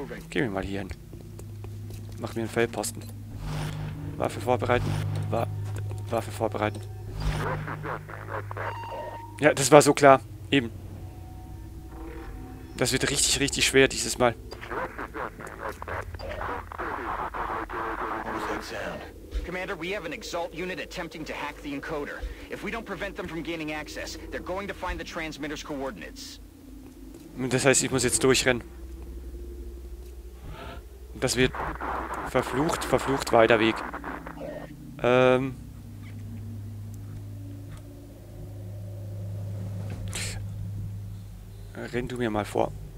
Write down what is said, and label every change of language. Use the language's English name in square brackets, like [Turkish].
[German] Gehen wir mal hier hin. Mach mir einen Feldposten. Waffe vorbereiten. Waffe vorbereiten. Ja, das war so klar. Eben. Das wird richtig, richtig schwer dieses Mal. [English] Commander, we have an Exalt unit attempting to hack the encoder. If we don't prevent them from gaining access, they're going to find the transmitter's coordinates. [German] Das heißt, ich muss jetzt durchrennen. Das wird verflucht, verflucht weiter Weg. Renn du mir mal vor.